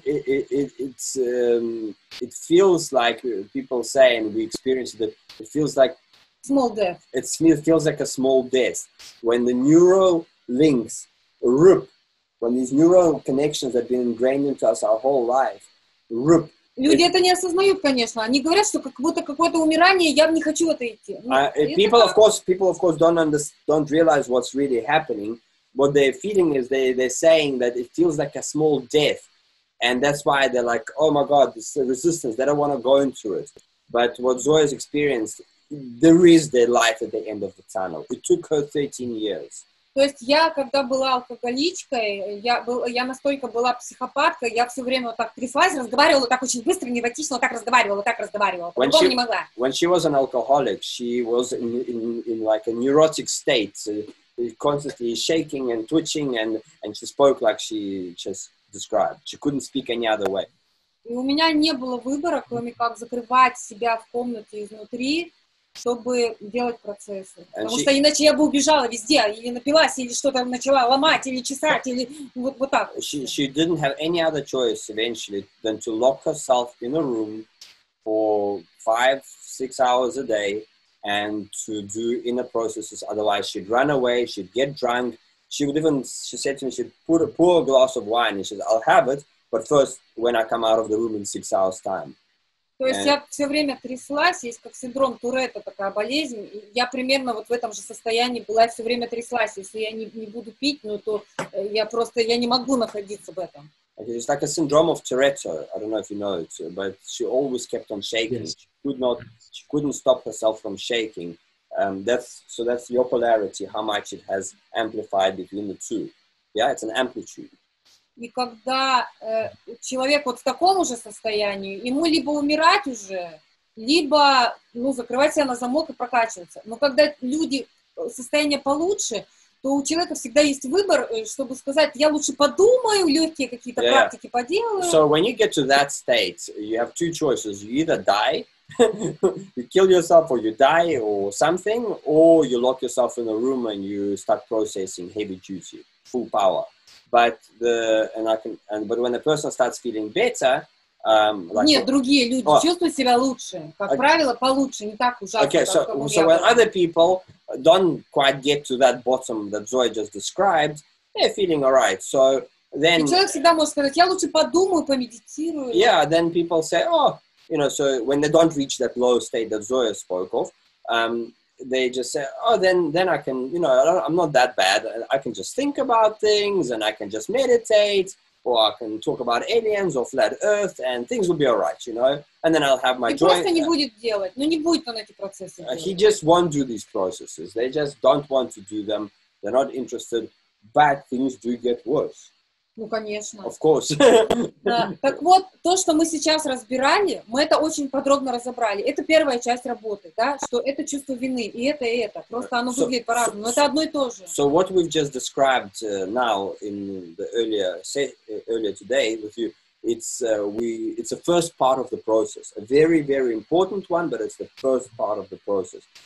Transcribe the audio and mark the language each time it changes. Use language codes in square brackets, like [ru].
[en] It feels like people say, and we experience that it feels like small death. It feels like a small death. When the neural links rip, when these neural connections have been ingrained into us our whole life, rip. [ru] Люди это не осознают, конечно. Они говорят, что как будто какое-то умирание, я не хочу в это идти. [en] People, of course, don't realize what's really happening. What they're feeling is they're saying that it feels like a small death. And that's why they're like, oh my God, this is a resistance. They don't want to go into it. But what Zoya's experienced, there is the light at the end of the tunnel. It took her 13 years. [ru] То есть я, когда была алкоголичкой, я настолько была психопаткой, я все время вот так тряслась, разговаривала так очень быстро, невротично, вот так разговаривала. По-другому не могла. [en] When she was an alcoholic, she was in like a neurotic state, constantly shaking and twitching, and she spoke like she just described. She couldn't speak any other way. [ru] И у меня не было выбора, кроме как закрывать себя в комнате изнутри, чтобы делать процессы. Потому что иначе я бы убежала везде, или напилась, или что-то начала ломать, или чесать, или вот так. [en] She didn't have any other choice eventually than to lock herself in a room for 5-6 hours a day and to do inner processes. Otherwise, she'd run away, she'd get drunk. She said to me, she'd pour a glass of wine, and she said, I'll have it, but first, when I come out of the room in 6 hours' time. [ru] То есть я все время тряслась, есть как синдром Туретта такая болезнь, и я примерно вот в этом же состоянии была, все время тряслась. Если я не буду пить, ну то я просто не могу находиться в этом. [en] Okay, it's like a syndrome of Tourette. I don't know if you know it, but she always kept on shaking. Yes. She couldn't stop herself from shaking. That's your polarity, how much it has amplified between the two. Yeah, it's an amplitude. [ru] И когда человек вот в таком уже состоянии, ему либо умирать уже, либо закрывать себя на замок и прокачиваться. Но когда люди состояние получше, то у человека всегда есть выбор, чтобы сказать, я лучше подумаю, легкие какие-то практики поделаю. [en] So when you get to that state, you have two choices. You either die, you kill yourself, or you die, or something, or you lock yourself in a room and you start processing heavy duty, full power. But when a person starts feeling better, [ru] другие люди чувствуют себя лучше. Как правило, получше, не так ужасно. [en] Okay, so when other people don't quite get to that bottom that Zoya just described, they're feeling all right. So then. [ru] И человек всегда может сказать: я лучше подумаю, помедитирую. [en] Yeah, then people say, so when they don't reach that low state that Zoya spoke of, they just say, then I can, I'm not that bad. I can just think about things and I can just meditate, or I can talk about aliens or flat earth and things will be all right, And then I'll have my joy. [ru] Просто не будет делать. Не будет он эти процессы делать. [en] He just won't do these processes. They just don't want to do them. They're not interested. Bad things do get worse. [ru] Ну, конечно. [en] Of course. [ru] Да. Так вот, то, что мы сейчас разбирали, мы это очень подробно разобрали. Это первая часть работы, да, что это чувство вины, и это. Просто оно выглядит по-разному, но это одно и то же. [en] So what we've just described now in the earlier today with you, it's a first part of the process. A very, very important one, but it's the first part of the process.